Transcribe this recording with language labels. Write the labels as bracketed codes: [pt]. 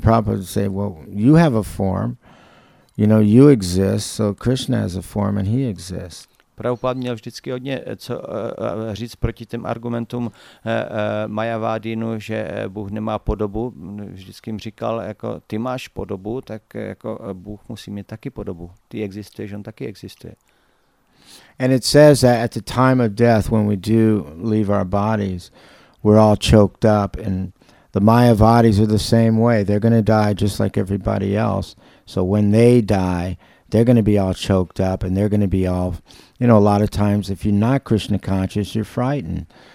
[en] Prabhupada would say, well, you have a form, you know, you exist, so Krishna has a form and he exists. [cs] Prabhupada měl vždycky hodně co říct proti těm argumentům Mayavadinu, že Bůh nemá podobu. Vždycky jim říkal, jako ty máš podobu, tak jako Bůh musí mít taky podobu. Ty existuješ, on taky existuje. [en] And it says that at the time of death, when we do leave our bodies, we're all choked up. And the Mayavadis are the same way. They're going to die just like everybody else. So when they die, they're going to be all choked up and they're going to be all, you know, a lot of times if you're not Krishna conscious, you're frightened.